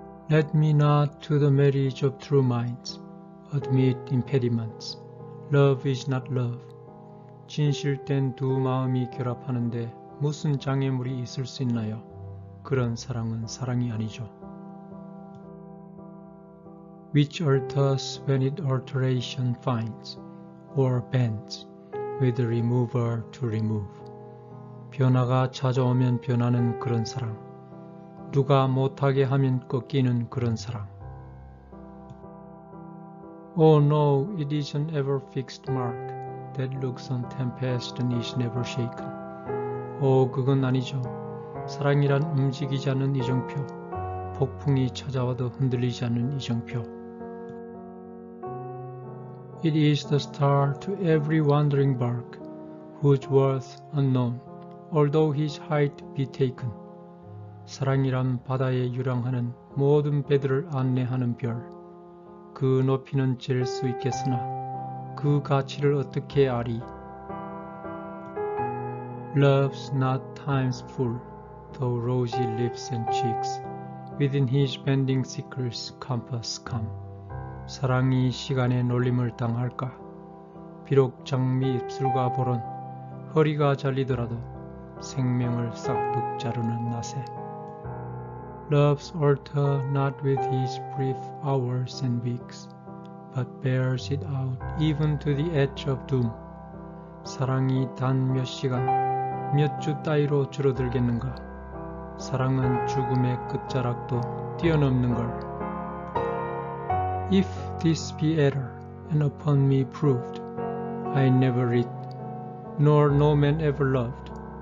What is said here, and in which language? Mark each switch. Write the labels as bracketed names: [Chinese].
[English] Let me not to the marriage of true minds admit impediments. Love is not love. [Korean] 진실된 두 마음이 결합하는데 무슨 장애물이 있을 수 있나요? 그런 사랑은 사랑이 아니죠. [English] Which alters when it alteration finds, or bends with remover to remove. [Korean] 변화가 찾아오면 변하는 그런 사랑. 누가 못하게 하면 꺾이는 그런 사랑. [English] Oh no, it is an ever fixed mark that looks on tempest and is never shaken. [Korean] 오, 그건 아니죠. 사랑이란 움직이지 않는 이정표. 폭풍이 찾아와도 흔들리지 않는 이정표. [English] It is the star to every wandering bark, whose worth unknown, although his height be taken. [Korean] 사랑이란 바다에 유랑하는 모든 배들을 안내하는 별. 그 높이는 잴 수 있겠으나 그 가치를 어떻게 아리? [English] Love's not time's fool, though rosy lips and cheeks within his bending sickle's compass come. [Korean] 사랑이 시간에 놀림을 당할까? 비록 장미 입술과 보론 허리가 잘리더라도 생명을 싹둑 자르는 낯에. [English] Love's altar not with his brief hours and weeks, but bears it out even to the edge of doom. [Korean] 사랑이 단 몇 시간, 몇 주 따위로 줄어들겠는가? 사랑은 죽음의 끝자락도 뛰어넘는 걸. [English] If this be error, and upon me proved, I never writ, nor no man ever loved.